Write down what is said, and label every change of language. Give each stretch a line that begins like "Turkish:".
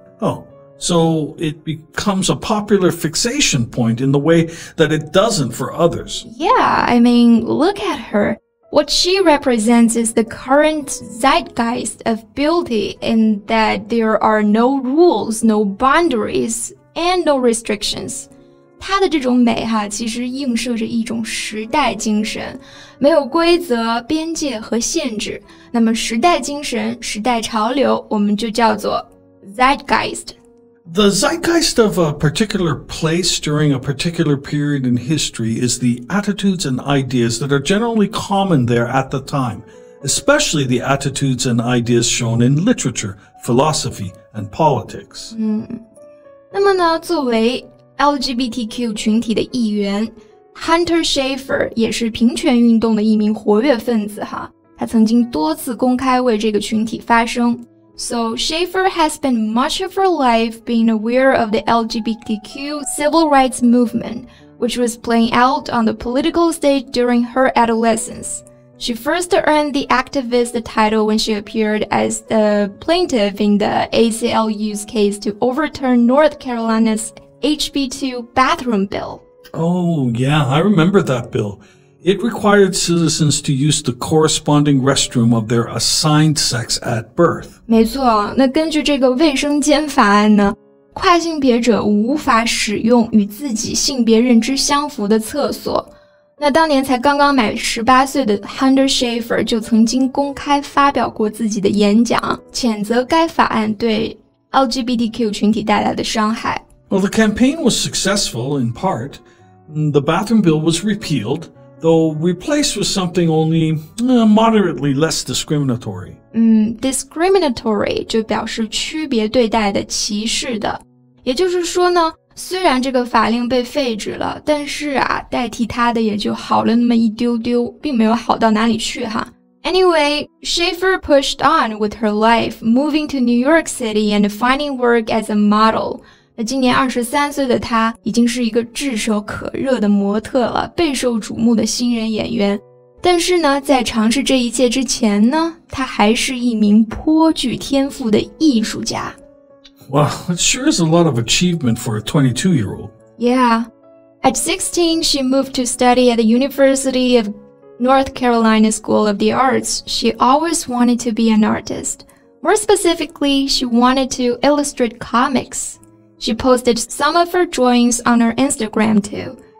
English: Oh, so it becomes a popular fixation point in the way that it doesn't for others. Yeah, I mean, look at her. What she represents is the current zeitgeist of beauty in that there are no rules, no boundaries, and no restrictions.
Chinese: 她的这种美哈，其实映射着一种时代精神，没有规则、边界和限制。那么时代精神、时代潮流，我们就叫做 zeitgeist。
English: The zeitgeist of a particular place during a particular period in history is the attitudes and ideas that are generally common there at the time, especially the attitudes and ideas shown in literature, philosophy, and politics.
Chinese: 那么呢，作为 LGBTQ 群体的一员 ，Hunter Schaefer 也是平权运动的一名活跃分子哈。他曾经多次公开为这个群体发声。
English: So Schaefer has spent much of her life being aware of the LGBTQ civil rights movement, which was playing out on the political stage during her adolescence. She first earned the activist title when she appeared as the plaintiff in the ACLU's case to overturn North Carolina's HB2 bathroom bill. Oh, yeah, I remember that bill. It required citizens to use the corresponding restroom of their assigned sex at birth.
Chinese: 没错，那根据这个卫生间法案呢，跨性别者无法使用与自己性别认知相符的厕所。那当年才刚刚满18岁的 Hunter Schaefer 就曾经公开发表过自己的演讲，谴责该法案对 LGBTQ 群体带来的伤害。
English: Well, the campaign was successful in part. The bathroom bill was repealed. Though replaced with something only moderately less discriminatory.
Chinese: Discriminatory 就表示区别对待的、歧视的。也就是说呢，虽然这个法令被废止了，但是啊，代替它的也就好了那么一丢丢，并没有好到哪里去哈。
English: Anyway, Schaefer pushed on with her life, moving to New York City and finding work as a model.
Chinese: 那今年23岁的她已经是一个炙手可热的模特了，备受瞩目的新人演员。但是呢，在尝试这一切之前呢，她还是一名颇具天赋的艺术家。
English: Wow, it sure is a lot of achievement for a 22-year-old. Yeah. At 16, she moved to study at the University of North Carolina School of the Arts. She always wanted to be an artist. More specifically, she wanted to illustrate comics. She posted some of her drawings on her Instagram, too.